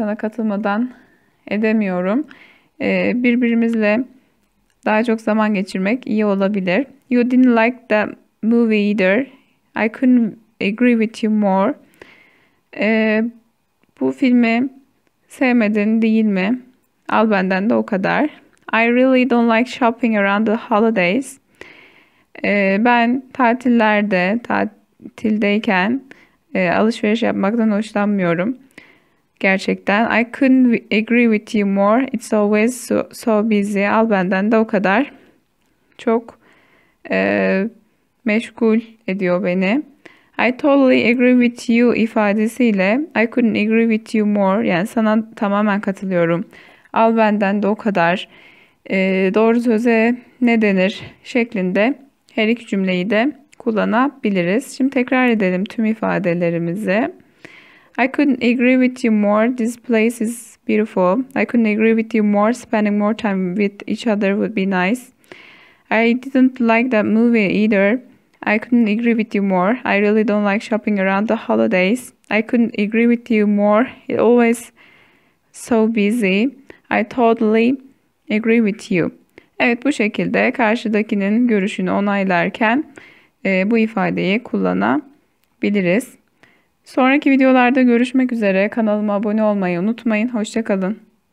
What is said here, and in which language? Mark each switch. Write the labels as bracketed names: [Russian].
[Turkish] Sana katılmadan edemiyorum. Birbirimizle daha çok zaman geçirmek iyi olabilir. [English] You didn't like the movie either. I couldn't agree with you more. [Turkish] Bu filmi sevmedin değil mi? Al benden de o kadar. [English] I really don't like shopping around the holidays. [Turkish] Ben tatillerde, tatildeyken alışveriş yapmaktan hoşlanmıyorum. Gerçekten. [English] I couldn't agree with you more. It's always so busy. [Turkish] Al benden de o kadar. Çok meşgul ediyor beni. [English] I totally agree with you [Turkish] ifadesiyle [English] I couldn't agree with you more. [Turkish] Yani sana tamamen katılıyorum. Al benden de o kadar. Doğru söze ne denir şeklinde her iki cümleyi de kullanabiliriz. Şimdi tekrar edelim tüm ifadelerimizi. [English] I couldn't agree with you more. This place is beautiful. I couldn't agree with you more. Spending more time with each other would be nice. I didn't like that movie either. I couldn't agree with you more. I really don't like shopping around the holidays. I couldn't agree with you more. It always so busy. I totally agree with you. [Turkish] Evet, bu şekilde karşıdakinin görüşünü onaylarken bu ifadeyi kullanabiliriz. Sonraki videolarda görüşmek üzere. Kanalıma abone olmayı unutmayın. Hoşça kalın.